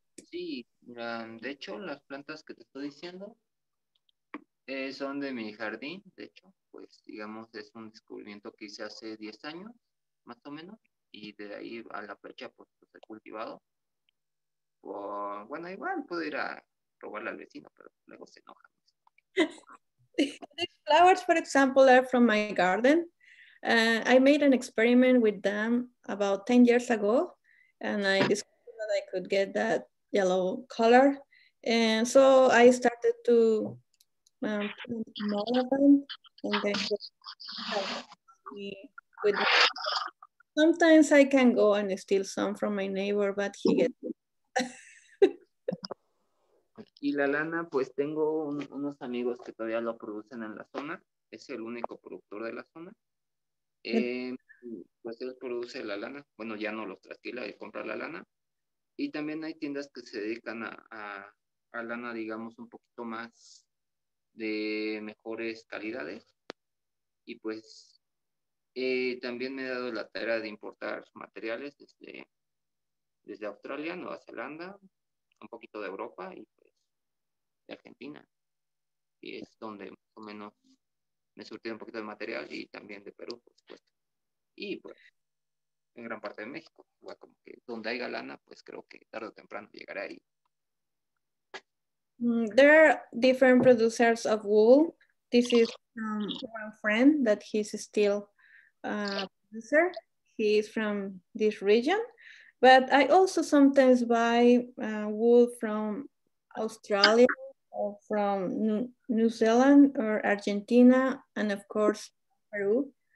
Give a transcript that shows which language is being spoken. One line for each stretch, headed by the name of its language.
Spanish: Sí, de hecho, las plantas que te estoy diciendo son de mi jardín. De hecho, pues, digamos, es un descubrimiento que hice hace 10 años, más o menos, y de ahí a la fecha, pues, he cultivado. Bueno, igual puedo ir a robarle al vecino, pero luego se enoja.
English: These flowers, for example, are from my garden. I made an experiment with them about 10 years ago, and I discovered that I could get that yellow color. And so I started to put more of them, and then with them. Sometimes I can go and steal some from my neighbor, but he gets.
Spanish: Y la lana, pues tengo unos amigos que todavía lo producen en la zona. Es el único productor de la zona. Pues él produce la lana. Bueno, ya no los trasquila y compra la lana. Y también hay tiendas que se dedican a lana, digamos, un poquito más de mejores calidades. Y pues también me he dado la tarea de importar materiales desde Australia, Nueva Zelanda, un poquito de Europa y Argentina, y es donde más o menos me surtí un poquito de material y también de Perú, por supuesto. Y pues, en gran parte de México, igual como que donde haya lana, pues creo que tarde o temprano llegaré ahí.
English: There are different producers of wool. This is one friend that he's still a producer. He is from this region. But I also sometimes buy wool from Australia or from New Zealand or Argentina and of course Peru.